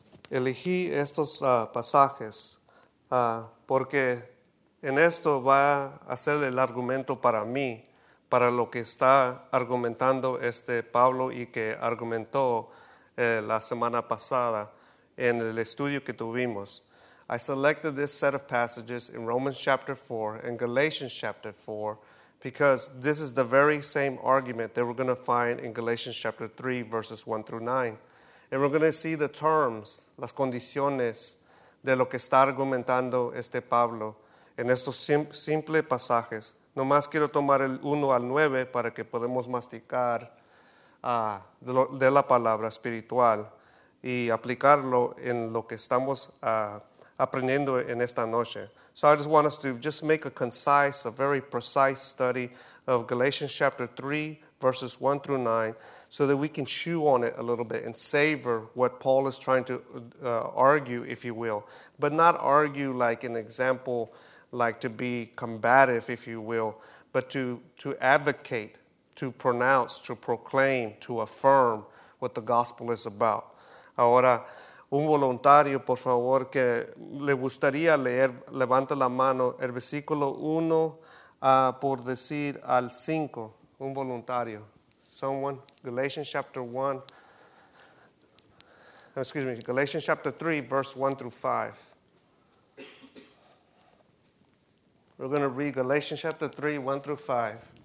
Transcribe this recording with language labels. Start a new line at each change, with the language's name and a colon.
Spanish: Elegí estos pasajes porque en esto va a ser el argumento para mí, para lo que está argumentando este Pablo y que argumentó la semana pasada en el estudio que tuvimos.
English: I selected this set of passages in Romans chapter 4 and Galatians chapter 4 because this is the very same argument that we're going to find in Galatians chapter 3 verses 1 through 9. And we're going to see the terms,
Spanish: las condiciones de lo que está argumentando este Pablo en estos simples pasajes. Nomás quiero tomar el 1 al 9 para que podamos masticar de la palabra espiritual y aplicarlo en lo que estamos aprendiendo en esta noche.
English: So I just want us to just make a concise, a very precise study of Galatians chapter 3, verses 1 through 9, so that we can chew on it a little bit and savor what Paul is trying to argue, if you will. But not argue like an example, like to be combative, if you will, but to advocate, to pronounce, to proclaim, to affirm what the gospel is about.
Spanish: Ahora, un voluntario, por favor, que le gustaría leer, levanta la mano, el versículo 1 por decir al 5, un voluntario.
English: Someone, Galatians chapter 1, excuse me, Galatians chapter 3, verse 1 through 5. We're going to read Galatians chapter 3, 1 through 5.